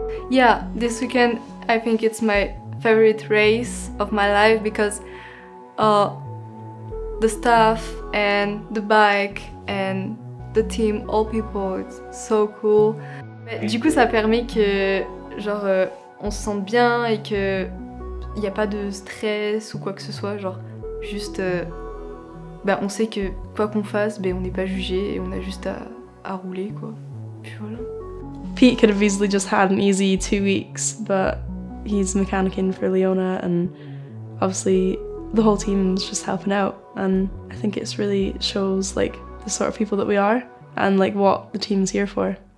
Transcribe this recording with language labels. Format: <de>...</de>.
<en>Yeah, this weekend I think it's my favorite race of my life because the staff and the bike and the team, all people, it's so cool.</en> <fr>Du coup, ça a permis que genre on se sente bien et que il y a pas de stress ou quoi que ce soit, genre juste ben on sait que quoi qu'on fasse, ben on n'est pas jugé et on a juste à rouler quoi. Puis voilà.</fr> <en>Pete could have easily just had an easy 2 weeks, but he's mechanicking for Leona and obviously the whole team's just helping out. And I think it really shows like the sort of people that we are and like what the team's here for.</en>